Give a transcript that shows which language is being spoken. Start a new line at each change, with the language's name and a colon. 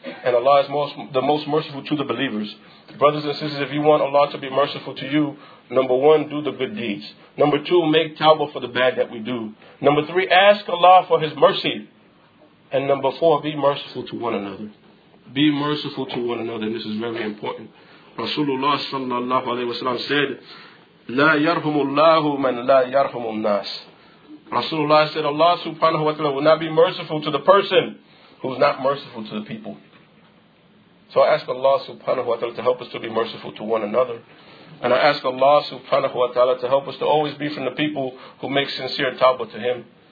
English: And Allah is the most merciful to the believers. Brothers and sisters, if you want Allah to be merciful to you, number one, do the good deeds. Number two, make tawbah for the bad that we do. Number three, ask Allah for His mercy. And number four, be merciful to one another. Be merciful to one another. And this is very important. Rasulullah sallallahu alayhi wa sallam said,
Arabic: لا يرحم الله من لا يرحم الناس.
English: Rasulullah said, Allah subhanahu wa ta'ala will not be merciful to the person who's not merciful to the people. So I ask Allah subhanahu wa ta'ala to help us to be merciful to one another. And I ask Allah subhanahu wa ta'ala to help us to always be from the people who make sincere tawbah to Him.